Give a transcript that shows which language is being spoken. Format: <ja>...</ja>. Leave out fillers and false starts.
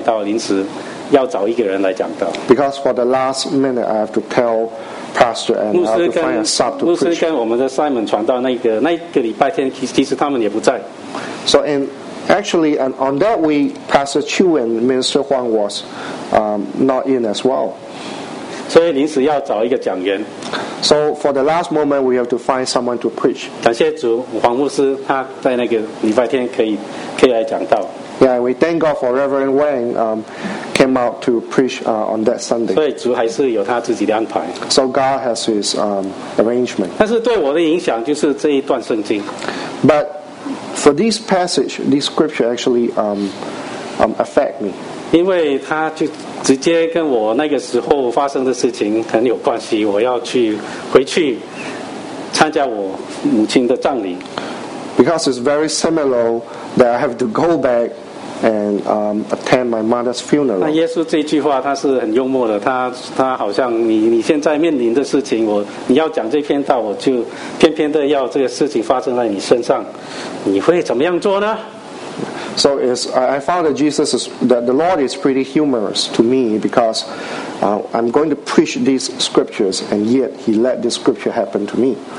<zh>因为临时要跟牧师说我不能讲道，临时要找一个人来讲道。</zh> <en>Because for the last minute, I have to tell. Pastor and</en> <zh>牧师跟,</zh> <en>to find a sub to</en> <zh>牧师跟我们的 Simon 传道那个礼拜天，其实他们也不在。</zh> <en>So and actually and on that week, Pastor Chu and Minister Huang was not in as well.</en> <zh>所以临时要找一个讲员。</zh> <en>So for the last moment, we have to find someone to preach.</en> <zh>感谢主, 黄牧师他在那个礼拜天可以来讲道。</zh> <en>Yeah, we thank God for Reverend Wang came out to preach on that Sunday.</en> <zh>所以主还是有他自己的安排。</zh> <en>So God has his arrangement.</en> <zh>但是对我的影响就是这一段圣经。</zh> <en>But for this passage, this scripture actually affect me.</en> <zh>因为他就直接跟我那个时候发生的事情很有关系，我要去回去参加我母亲的葬礼。</zh> <en>Because because it's very similar that I have to go back and attend my mother's funeral.</en> <zh>那耶稣这句话他是很幽默的，他好像你现在面临的事情，我你要讲这篇道，我就偏偏的要这个事情发生在你身上，你会怎么样做呢？</zh> <en>So it's, I found that Jesus is, that the Lord is pretty humorous to me because I'm going to preach these scriptures and yet he let this scripture happen to me.</en>